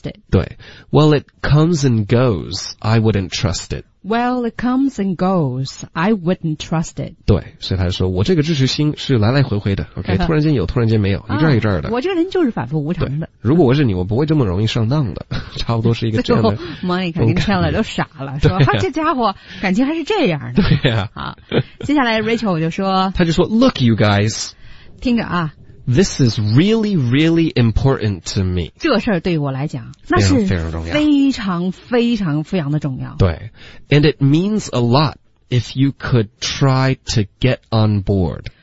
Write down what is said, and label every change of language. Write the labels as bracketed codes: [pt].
[zh] 对 [en] Well, it comes and goes. I wouldn't trust it. [zh] 对，所以他就说我这个支持心是来来回回的。OK， 突然间有突然间没有，一阵一阵的。我这个人就是反复无常的。如果我是你，我不会这么容易上当的。差不多是一个这样的。最后 Monica 跟 Chandler 都傻了，说、啊、这家伙感情还是这样的。对啊。好，接下来 Rachel 就说，他就说 [en] Look you guys， [zh] 听着啊， [en] This is really really important to me。 [zh] 这事儿对于我来讲那是非常重要，非常非常非常的重要。对， [en] And it means a lot if you could try to get on board。